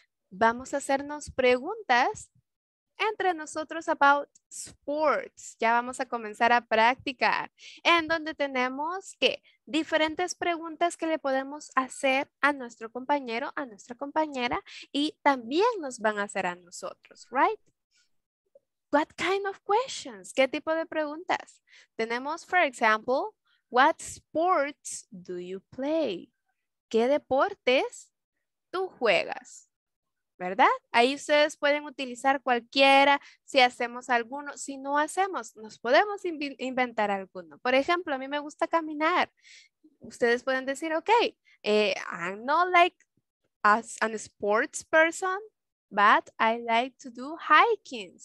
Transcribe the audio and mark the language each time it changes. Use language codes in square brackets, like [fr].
[es] Vamos a hacernos preguntas entre nosotros [en] about sports. [es] Ya vamos a comenzar a practicar. En donde tenemos que diferentes preguntas que le podemos hacer a nuestro compañero, a nuestra compañera, y también nos van a hacer a nosotros, right? [en] What kind of questions? [es] ¿Qué tipo de preguntas? Tenemos, [en] for example, what sports do you play? [es] ¿Qué deportes tú juegas? ¿Verdad? Ahí ustedes pueden utilizar cualquiera, si hacemos alguno, si no hacemos, nos podemos inventar alguno. Por ejemplo, a mí me gusta caminar. Ustedes pueden decir, [en] ok, I'm not like a sports person, but I like to do hiking.